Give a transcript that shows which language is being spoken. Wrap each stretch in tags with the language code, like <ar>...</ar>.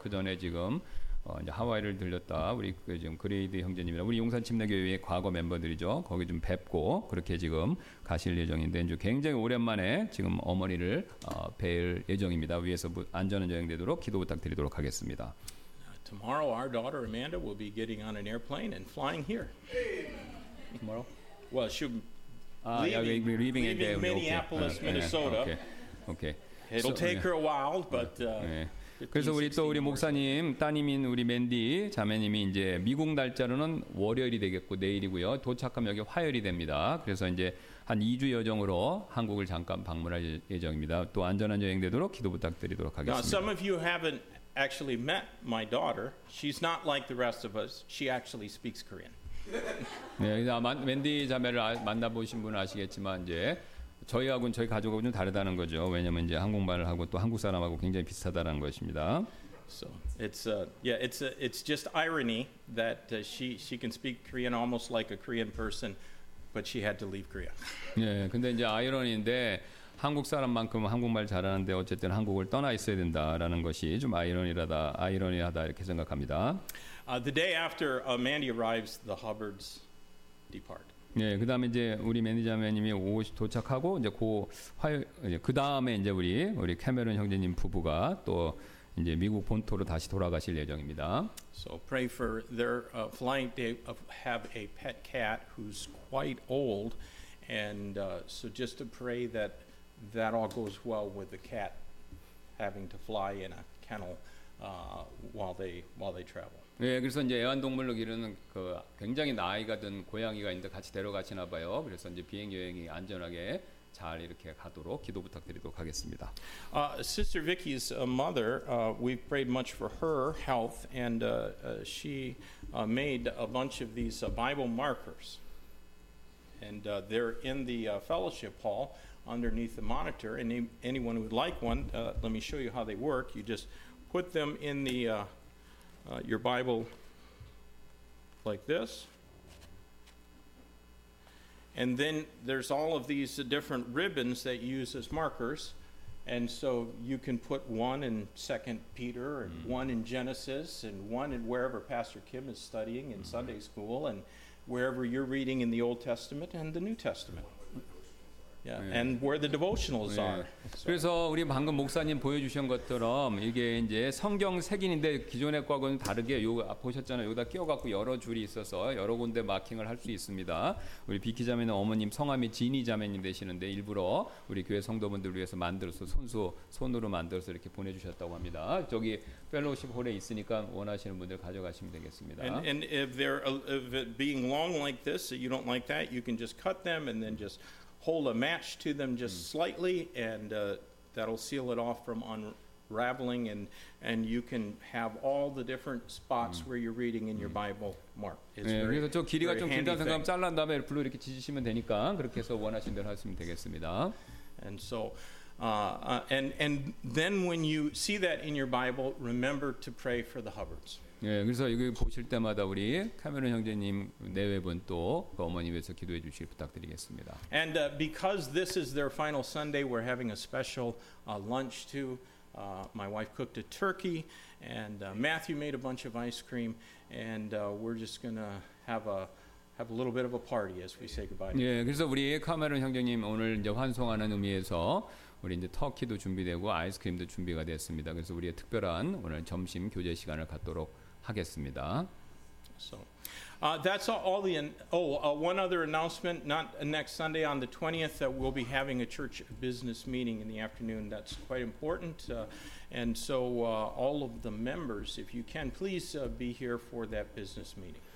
<ko>그 전에 지금 이제 하와이를 들렸다. 우리 그 지금 그레이드 형제님이나 우리 용산 침례교회의 과거 멤버들이죠. 거기 좀 뵙고 그렇게 지금 가실 예정인데, 이제 굉장히 오랜만에 지금 어머니를 뵐 예정입니다. 위에서 안전운전 되도록 기도 부탁드리도록 하겠습니다.</ko> <en>Tomorrow our daughter Amanda will be getting on an airplane and flying here. Tomorrow? Well, leaving Minneapolis, okay. Minnesota. Okay. It'll take her a while, but.</en> <ko>그래서 우리 또 우리 목사님 따님인 우리 맨디 자매님이 이제 미국 날짜로는 월요일이 되겠고 내일이고요. 도착하면 여기 화요일이 됩니다. 그래서 이제 한 2주 여정으로 한국을 잠깐 방문할 예정입니다. 또 안전한 여행 되도록 기도 부탁드리도록 하겠습니다.</ko> <en>Now, some of you haven't actually met my daughter. She's not like the rest of us. She actually speaks Korean.</en> <ko>네, 맨디 자매를 만나보신 분은 아시겠지만 이제 저희하고는 저희 가족하고는 다르다는 거죠. 왜냐면 이제 한국말을 하고 또 한국 사람하고 굉장히 비슷하다는 것입니다.</ko> <en>So it's it's just irony that she can speak Korean almost like a Korean person, but she had to leave Korea.</en> <ko>예, 근데 이제 아이러니인데 한국 사람만큼 한국말 잘하는데 어쨌든 한국을 떠나 있어야 된다라는 것이 좀 아이러니하다, 아이러니하다 이렇게 생각합니다.</ko> <en>The day after Mandy arrives, the Hubbards depart.</en> <ko>예, 그다음에 이제 우리 매니저님이 오시 도착하고 이제 그 화요 이제 그다음에 이제 우리 캐메론 형제님 부부가 또 이제 미국 본토로 다시 돌아가실 예정입니다.</ko> <en>So pray for their flight. They have a pet cat who's quite old, and so just to pray that that all goes well with the cat having to fly in a kennel while they travel. 네, 그래서 이제 애완동물로 기르는 그 굉장히 나이가 든 고양이가 있는데 같이 데려가시나 봐요. 그래서 이제 비행 여행이 안전하게 잘 이렇게 가도록 기도 부탁드리도록 하겠습니다. Sister Vicky's mother, we've prayed much for her health, and she made a bunch of these Bible markers, and they're in the fellowship hall underneath the monitor. And anyone who would like one, let me show you how they work. You just put them in the your Bible like this. And then there's all of these different ribbons that you use as markers. And so you can put one in 2 Peter, and one in Genesis, and one in wherever Pastor Kim is studying in Sunday school, and wherever you're reading in the Old Testament and the New Testament. Yeah. And where the devotionals are. Yeah. So.</en> <ko>그래서 우리 방금 목사님 보여주신 것처럼 이게 이제 성경 색인인데 기존의 과거는 다르게 요 보셨잖아요. 여기다 끼워갖고 여러 줄이 있어서 여러 군데 마킹을 할 수 있습니다. 우리 비키 자매는 어머님 성함이 진희 자매님 되시는데 일부러 우리 교회 성도분들 위해서 만들어서 손으로 만들어서 이렇게 보내주셨다고 합니다. 저기 펠로우십 홀에 있으니까 원하시는 분들 가져가시면 되겠습니다.</ko> <en>And if they're if it being long like this, you don't like that, you can just cut them and then just hold a match to them just slightly, and that'll seal it off from unraveling, and you can have all the different spots where you're reading in your Bible mark.</en> <ko>It's 네, 그래서 저 길이가 좀 길다 생각하면 잘라 다음에 블루 이렇게 지지시면 되니까 그렇게 해서 원하신 대로 하시면 되겠습니다.</ko> <en>And so, and then when you see that in your Bible, remember to pray for the Hubbards.</en> <ko>예, 그래서 여기 보실 때마다 우리 카메론 형제님 내외분 또 그 어머니 위해서 기도해 주시길 부탁드리겠습니다.</ko> <en>And because this is their final Sunday, we're having a special lunch too. My wife cooked a turkey, and Matthew made a bunch of ice cream, and we're just gonna have a little bit of a party as we say goodbye.</en> <ko>예, 그래서 우리 카메론 형제님 오늘 이제 환송하는 의미에서 우리 이제 터키도 준비되고 아이스크림도 준비가 됐습니다. 그래서 우리의 특별한 오늘 점심 교제 시간을 갖도록 하겠습니다.</ko> <en>So, that's all the. One other announcement. Not next Sunday on the 20th, that we'll be having a church business meeting in the afternoon. That's quite important. And so, all of the members, if you can, please be here for that business meeting.</en>